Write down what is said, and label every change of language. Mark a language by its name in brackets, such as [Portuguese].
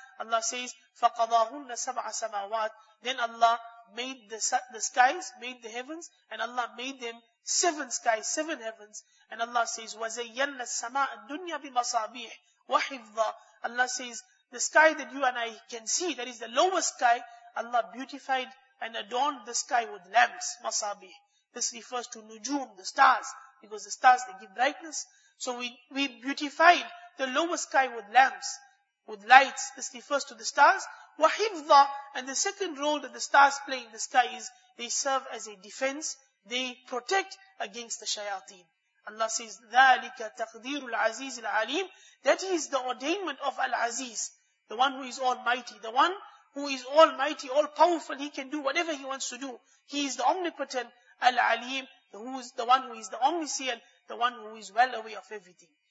[English] Allah says, [Arabic] فَقَضَاهُنَّ سَبْعَ سَمَاوَاتٍ. [English] Then Allah made the skies, made the heavens, and Allah made them 7 skies, 7 heavens. And Allah says, [Arabic] وَزَيَّنَّ السَّمَاءَ الدُّنْيَا بِمَصَابِيحٍ وَحِفْظًا. [English] Allah says, the sky that you and I can see, that is the lower sky, Allah beautified and adorned the sky with lamps, masabih. This refers to nujum, the stars, because the stars, they give brightness. So we beautified the lower sky with lamps, with lights. This refers to the stars. Wahibza, and the second role that the stars play in the sky is, they serve as a defense, they protect against the shayateen. Allah says, [Arabic] ذَٰلِكَ تَقْدِيرُ الْعَزِيزِ الْعَلِيمِ. [English] That is the ordainment of Al-Aziz, the one who is almighty, the one who is almighty, all-powerful, he can do whatever he wants to do. He is the omnipotent Al-Alim, the one who is the omniscient, the one who is well aware of everything.